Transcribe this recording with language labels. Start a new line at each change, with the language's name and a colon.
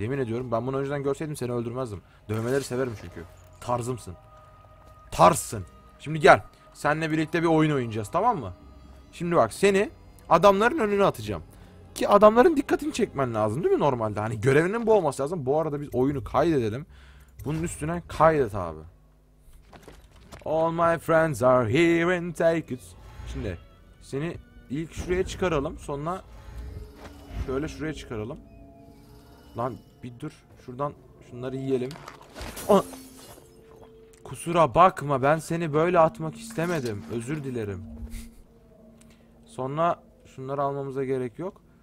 Turkish: Yemin ediyorum ben bunu önceden görseydim seni öldürmezdim. Dövmeleri severim çünkü. Tarzımsın. Tarzsın. Şimdi gel. Seninle birlikte bir oyun oynayacağız tamam mı? Şimdi bak seni adamların önüne atacağım. Ki adamların dikkatini çekmen lazım değil mi normalde? Hani görevinin bu olması lazım. Bu arada biz oyunu kaydedelim. Bunun üstüne kaydet abi.
English: All my friends are here and take it.
Turkish: Şimdi seni... İlk şuraya çıkaralım. Sonra şöyle şuraya çıkaralım. Lan bir dur. Şuradan şunları yiyelim. Aa! Kusura bakma. Ben seni böyle atmak istemedim. Özür dilerim. Sonra şunları almamıza gerek yok.